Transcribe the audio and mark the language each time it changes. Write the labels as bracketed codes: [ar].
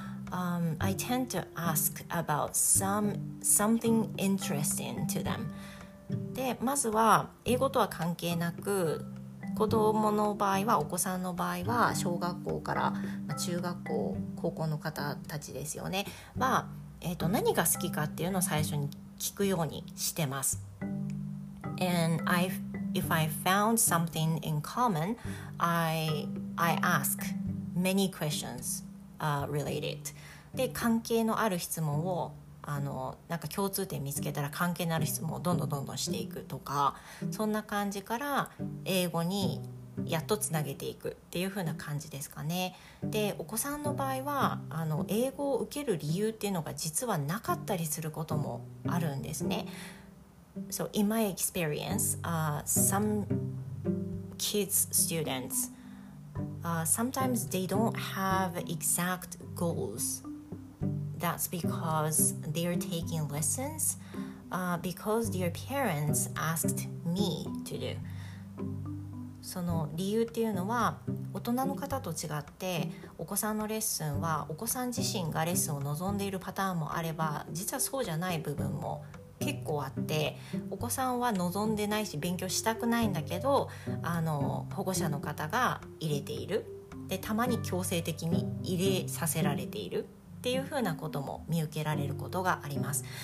[en] I tend to ask about something interesting to them. [ja] で、まずは英語とは関係なく、子供の場合は、お子さんの場合は小学校から中学校、高校の方たちですよね。は、何が好きかっていうのを最初に聞くようにしてます。 [en] And if I found something in common, I ask many questions related. [ja] で、関係のある質問を、なんか共通点見つけたら関係のある質問をどんどんどんどんしていくとか、そんな感じから英語にやっとつなげていくっていう風な感じですかね。で、お子さんの場合は英語を受ける理由っていうのが実はなかったりすることもあるんですね。 [en] So in my experience, some kids students sometimes they don't have exact goals. That's because they're taking lessons because their parents asked me to do. [ja] その理由っていうのは、大人の方と違ってお子さんのレッスンはお子さん自身がレッスンを望んでいるパターンもあれば、実はそうじゃない部分も結構あって、お子さんは望んでないし勉強したくないんだけど、保護者の方が入れている、で、たまに強制的に入れさせられているっていうふうなことも見受けられることがあります。